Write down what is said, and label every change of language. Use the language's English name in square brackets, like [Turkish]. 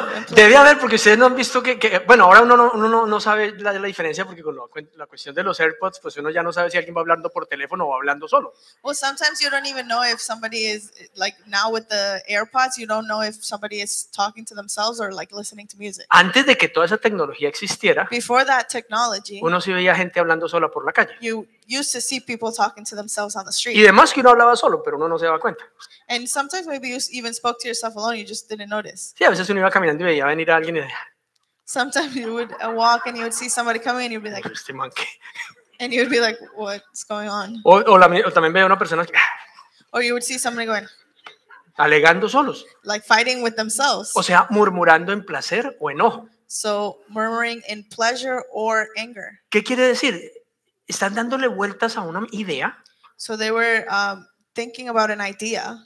[Spanish] debía haber porque ustedes no han visto que bueno, ahora uno no sabe la diferencia porque con la cuestión de los AirPods, pues uno ya no sabe si alguien va hablando por teléfono o hablando solo. [English] Well, sometimes you don't even know if somebody is like now with the AirPods, you don't know if somebody is talking to themselves or like listening to music. [Spanish] Antes de que toda esa tecnología existiera, [English] before that technology, [Spanish] uno sí veía gente hablando sola por la calle. [English] Used to see people talking to themselves on the street. [Spanish] Y demás que uno hablaba solo, pero uno no se daba cuenta. [English] And sometimes maybe you even spoke to yourself alone, you just didn't notice. [Spanish] Sí, a veces uno iba caminando y veía venir a alguien y decía. [English] Sometimes you would walk and you would see somebody coming and you'd be like. [Spanish] Este manque. [English] And you'd be like, what's going on? [Spanish] O también veía una persona. [English] Or you would see somebody going. [Spanish] Alegando solos. [English] Like fighting with themselves. [Spanish] O sea, murmurando en placer o enojo. [English] So murmuring in pleasure or anger. [Spanish] ¿Qué quiere decir? Están dándole vueltas a una idea. [English] So they were thinking about an idea.